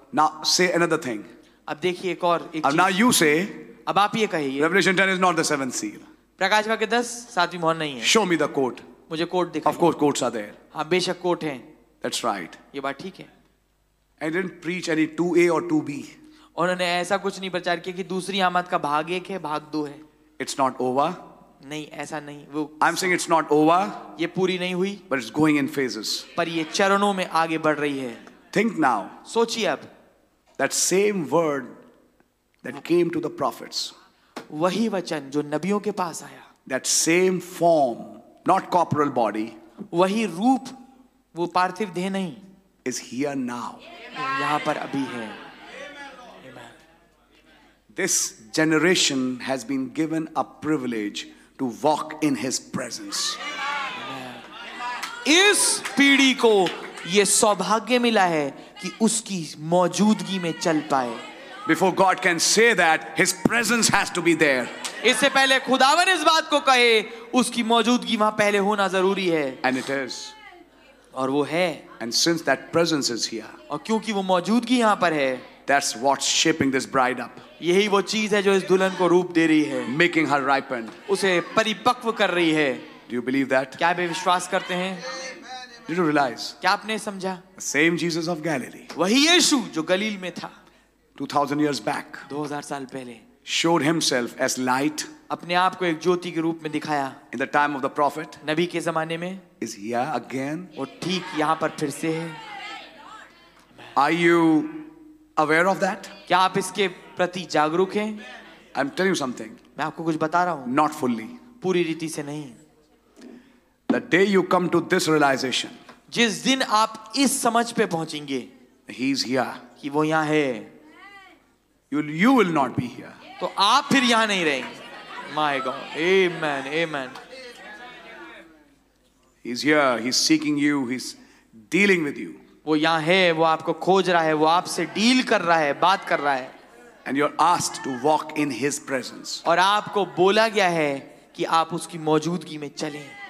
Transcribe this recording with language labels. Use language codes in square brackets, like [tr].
[en] Now say another thing. [hi] अब देखिए एक और एक [en] चीज. Now you say. [hi] अब आप ये कहिए. [en] Revelation 10 is not the seventh seal. [hi] प्रकाश भाग के 10 सातवीं मोहर नहीं है. [en] Show me the court. [hi] मुझे कोर्ट दिखा. [en] Of course, courts are there. [hi] हाँ, बेशक कोर्ट है. [en] That's right. [hi] ये बात ठीक है. [en] I didn't preach any 2A or 2B. [hi] उन्होंने ऐसा कुछ नहीं प्रचार किया कि दूसरी आमद का भाग एक है, भाग दो है. [en] It's not over. [hi] नहीं, ऐसा नहीं. वो [en] I'm saying it's not over. [hi] ये पूरी नहीं हुई. [en] But it's going in phases. [hi] पर ये चरणों में आगे बढ़ रही है. [en] Think now. [hi] सोचिए अब. [en] That same word that came to the prophets. [hi] वही वचन जो नबियों के पास आया. [en] That same form, not corporal body. [hi] वही रूप, वो पार्थिव देह नहीं. [en] Is here now. [hi] यहाँ पर अभी है. [en] This generation has been given a privilege to walk in His presence. [hi] इस पीढ़ी को ये सौभाग्य मिला है कि उसकी मौजूदगी में चल पाए. [en] Before God can say that, His presence has to be there. [hi] इससे पहले खुदावन इस बात को कहे, उसकी मौजूदगी वहाँ पहले होना जरूरी है. [en] And it is. [hi] और वो है. [en] And since that presence is here. [hi] और क्योंकि वो मौजूदगी यहाँ पर है. [en] That's what's shaping this bride up. [hi] यही वो चीज है जो इस दुल्हन को रूप दे रही है. [en] Making her ripen. [hi] उसे परिपक्व कर रही है. [en] Do you believe that? [hi] क्या आप विश्वास करते हैं? [en] Did you realize? [hi] क्या आपने समझा? [en] The same Jesus of Galilee. [hi] वही यीशु जो गलील में था. [en] 2000 years back. [hi] 2000 साल पहले. [en] Showed himself as light. [hi] अपने आप को एक ज्योति के रूप में दिखाया. [en] In the time of the prophet. [hi] नबी के जमाने में. [en] Is here again. [hi] वो ठीक यहाँ पर फिर से है. [en] Are you aware of that? [hi] क्या आप इसके प्रति जागरूक हैं? [en] I'm telling you something. [hi] मैं आपको कुछ बता रहा हूँ. [en] Not fully. [hi] पूरी रीति से नहीं. [en] The day you come to this realization. [hi] जिस दिन आप इस समझ पे पहुँचेंगे. [en] He's here. [hi] कि वो यहाँ है. [en] You will not be here. [hi] तो आप फिर यहाँ नहीं रहेंगे. [en] My God. Amen. Amen. He's here. He's seeking you. He's dealing with you. [hi] वो यहाँ है, वो आपको खोज रहा है, वो आपसे डील कर रहा है, बात कर रहा है. [en] And you're asked to walk in His presence. [hi] और आपको बोला गया है कि आप उसकी मौजूदगी में चलें.